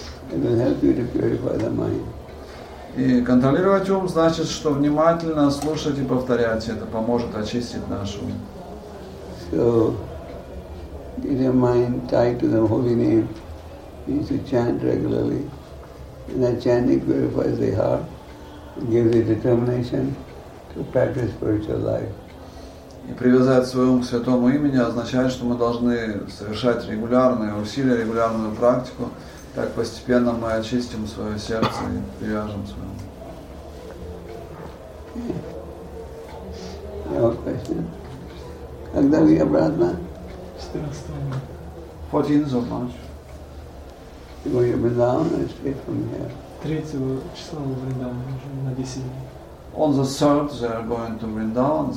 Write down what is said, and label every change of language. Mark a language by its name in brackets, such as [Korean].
[English] It will help you to purify the mind. [Russian] И контролировать ум значит, что внимательно слушать и повторять это поможет очистить наш ум. [English] So, get your mind tied to the holy name. You should chant regularly. And that chanting purifies the heart and gives the determination to practice spiritual life. [Russian] И привязать свой ум к святому имени означает, что мы должны совершать регулярные усилия, регулярную практику. Так постепенно мы очистим свое сердце и привяжем свое ум. Когда вы обратно? 14 марта. Вы в Вриндаване или стоите там? 3 числа в Вриндаване, уже на 10 дней. [English] On the 3rd, they are going to Vrindavan.